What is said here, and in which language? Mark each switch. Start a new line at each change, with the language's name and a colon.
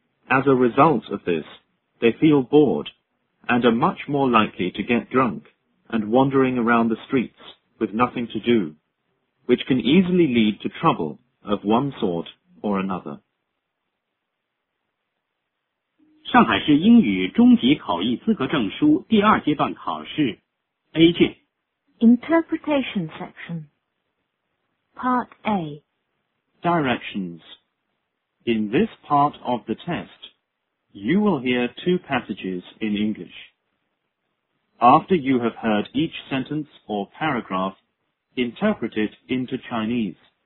English: As a result of this, they feel bored and are much more likely to get drunk and wandering around the streets with nothing to do, which can easily lead to trouble of one sort or another.
Chinese: 上海市英语中级口译资格证书第二阶段考试 A 卷
English: Interpretation section Part A Directions In this part of the test, you will hear two passages in English. After you have heard each sentence or paragraph, interpret it into Chinese.